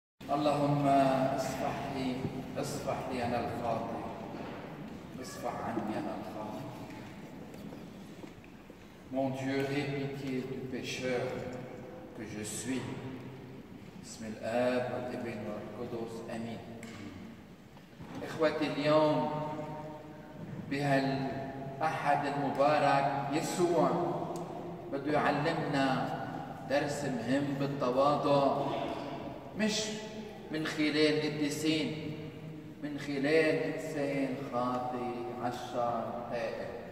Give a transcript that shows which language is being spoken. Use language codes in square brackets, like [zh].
[ar] اللهم اصفح لي، اصفح لي انا الخاطئ، اصفح عني انا الخاطئ. [fr] Mon Dieu, aie pitié du pécheur que je suis. [ar] بسم الاب والابن والقدس امين. اخواتي اليوم بهالاحد المبارك يسوع بده يعلمنا درس مهم بالتواضع، مش من خلال قديسين، من خلال انسان خاطئ عشر هائل.